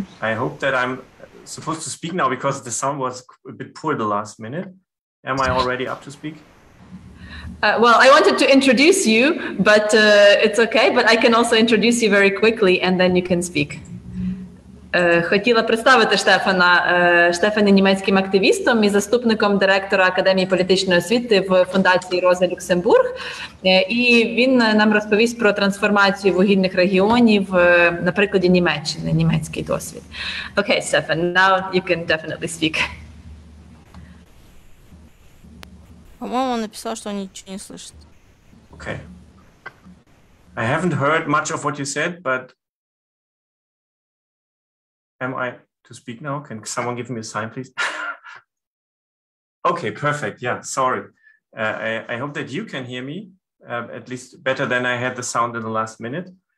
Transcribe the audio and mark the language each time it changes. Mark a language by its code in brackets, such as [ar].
[en] I hope that I'm supposed to speak now because the sound was a bit poor the last minute. Am I already up to speak? Well, I wanted to introduce you, but it's okay, but I can also introduce you very quickly and then you can speak. [uk] Хотіла представити Штефана. Штефан є німецьким активістом і заступником директора Академії політичної освіти в фундації Роза Люксембург. І він нам розповість про трансформацію вугільних регіонів на прикладі Німеччини, німецький досвід. [en] Окей, Штефан, now you can definitely speak. [uk] По-моєму, написав, що нічого не [ru] слышить. [en] Окей. Okay. I haven't heard much of what you said, but am I to speak now? Can someone give me a sign, please? Okay, perfect. Yeah, sorry. I hope that you can hear me, at least better than I had the sound in the last minute.